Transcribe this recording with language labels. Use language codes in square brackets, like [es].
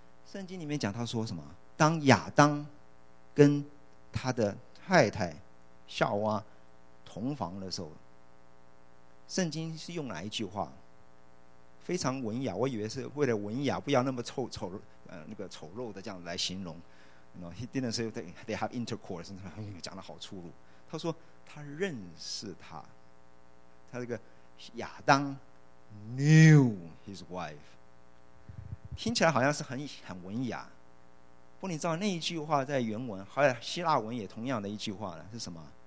[zh] 圣经里面讲他说什么？当亚当跟他的太太夏娃同房的时候，圣经是用哪一句话？非常文雅，我以为是为了文雅，不要那么丑，那个丑陋的这样来形容。 [en] You know, he didn't say they have intercourse， [zh] 讲得好粗鲁。他说他认识他，他这个亚当 [en] knew his wife， [zh] 听起来好像是很文雅。不，你知道那一句话在原文还有希腊文也同样的一句话呢，是什么？